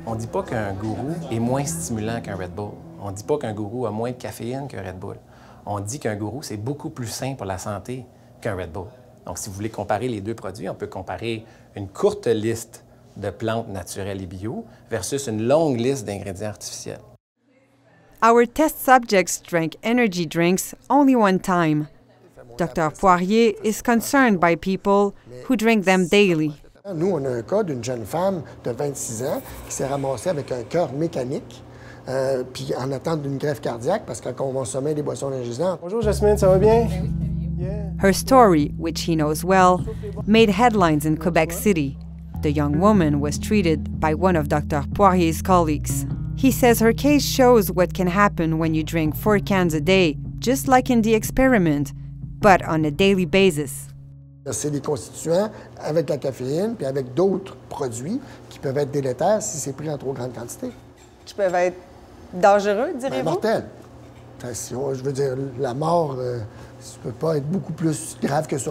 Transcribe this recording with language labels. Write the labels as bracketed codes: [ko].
[fr] On ne dit pas qu'un Guru est moins stimulant qu'un Red Bull. On ne dit pas qu'un Guru a moins de caféine qu'un Red Bull. On dit qu'un Guru, c'est beaucoup plus sain pour la santé qu'un Red Bull. Donc, si vous voulez comparer les deux produits, on peut comparer une courte liste de plantes naturelles et bio versus une longue liste d'ingrédients artificiels. [en] Our test subjects drank energy drinks only one time. Dr. Poirier is concerned by people who drink them daily. [fr] Nous, on a un cas d'une jeune femme de 26 ans qui s'est ramassée avec un cœur mécanique, puis en attente d'une greffe cardiaque parce qu'on consommait des boissons énergisantes. Bonjour, Jasmine, ça va bien? [en] Her story, which he knows well, made headlines in Quebec City. The young woman was treated by one of Dr. Poirier's colleagues. He says her case shows what can happen when you drink 4 cans a day, just like in the experiment, but on a daily basis. [fr] C'est des constituants avec la caféine puis avec d'autres produits qui peuvent être délétères si c'est pris en trop grande quantité. Qui peuvent être dangereux, diriez-vous? Ben, mortel. Enfin, si on, je veux dire, la mort, ça peut pas être beaucoup plus grave que ça.